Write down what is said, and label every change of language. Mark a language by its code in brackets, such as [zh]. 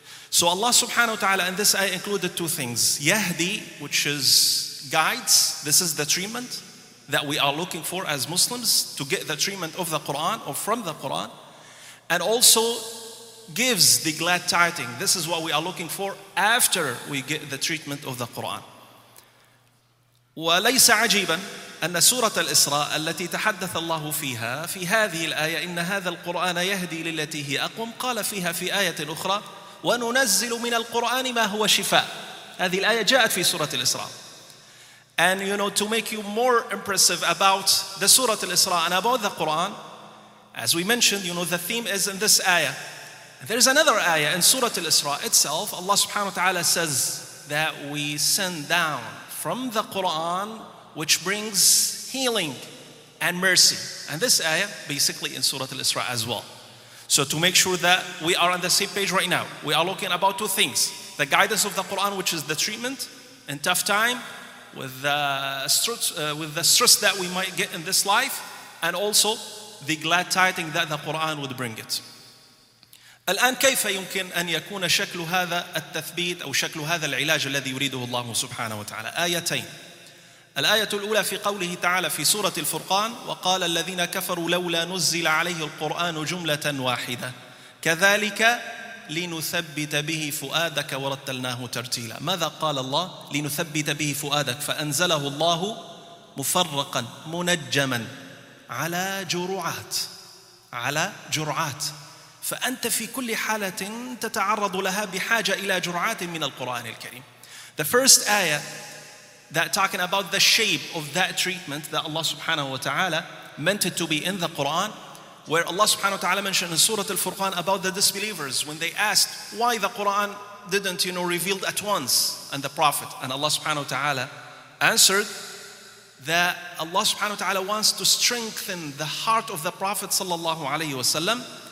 [en] So Allah subhanahu wa ta'ala in this ayah included two things. Yahdi, which is guides. This is the treatment that we are looking for as Muslims, to get the treatment of the Quran or from the Quran. And also gives the glad tiding. This is what we are looking for after we get the treatment of the Quran. [ar] وليس عجيبا أن سورة الإسراء التي تحدث الله فيها في هذه الآية إن هذا القرآن يهدي للتي هي أقوم قال فيها في آية أخرى وننزل من القرآن ما هو شفاء. هذه الآية جاءت في سورة الإسراء. [en] And you know, to make you more impressive about the سورة الإسراء and about the Quran, as we mentioned, you know, the theme is in this ayah. There is another ayah in Surah Al-Isra itself. Allah subhanahu wa ta'ala says that we send down from the Quran which brings healing and mercy. And this ayah basically in Surah Al-Isra as well. So to make sure that we are on the same page right now, we are looking about two things. The guidance of the Quran, which is the treatment in tough time with the stress that we might get in this life, and also the glad tidings that the Quran would bring it. [ar] الآن كيف يمكن أن يكون شكل هذا التثبيت أو شكل هذا العلاج الذي يريده الله سبحانه وتعالى؟ آيتين. الآية الأولى في قوله تعالى في سورة الفرقان وقال الذين كفروا لولا نزل عليه القرآن جملة واحدة كذلك لنثبت به فؤادك ورتلناه ترتيلا. ماذا قال الله؟ لنثبت به فؤادك، فأنزله الله مفرقا منجما على جرعات، على جرعات. فأنت في كل حالة تتعرض لها بحاجة إلى جرعات من القرآن الكريم. [en] The first ayah that talking about the shape of that treatment that Allah subhanahu wa ta'ala meant it to be in the Quran, where Allah subhanahu wa ta'ala mentioned in Surah Al-Furqan about the disbelievers when they asked why the Quran didn't, you know, revealed at once and the Prophet, and Allah subhanahu wa ta'ala answered that Allah subhanahu wa ta'ala wants to strengthen the heart of the Prophet sallallahu alayhi wa sallam.